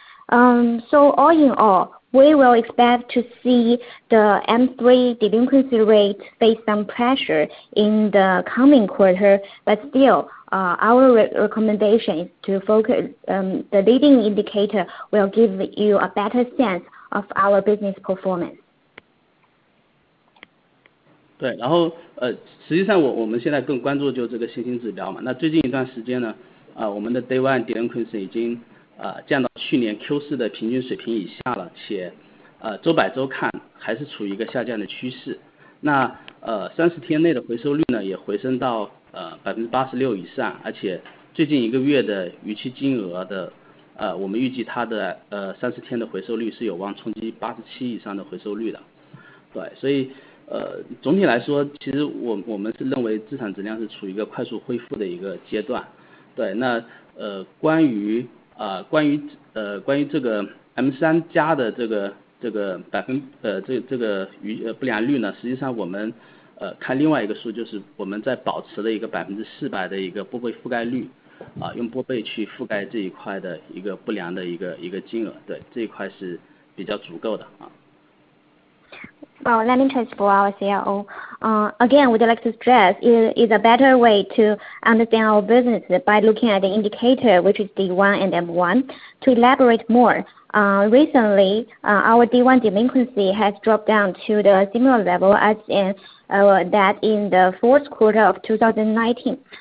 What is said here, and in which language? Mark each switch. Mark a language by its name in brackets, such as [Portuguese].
[English] So all in all, we will expect to see the M3 delinquency rate face some pressure in the coming quarter, but still, our recommendation is to focus, the leading indicator will give you a better sense of our business performance. [Chinese] 对，然后实际上我们现在更关注就是这个先行指标嘛。那最近一段时间呢，我们的 Day One Delinquency 已经降到去年 Q4 的平均水平以下了，且周百周看还是处于一个下降的趋势。那30天内的回收率呢，也回升到86%以上，而且最近一个月的逾期金额的我们预计它的30天的回收率是有望冲击87%以上的回收率的。对，所以总体来说，其实我们是认为资产质量是处于一个快速恢复的一个阶段。对，那关于这个 M3+ 的不良率呢，实际上我们看另外一个数，就是我们在保持了一个400%的一个拨备覆盖率。用拨备去覆盖这一块的一个不良的一个金额，对，这一块是比较足够的啊。 [English] Well, let me transfer our CLO. Again, we'd like to stress it is a better way to understand our business by looking at the indicator, which is D1 and M1. To elaborate more, recently, our D1 delinquency has dropped down to the similar level as in that in the fourth quarter of 2019.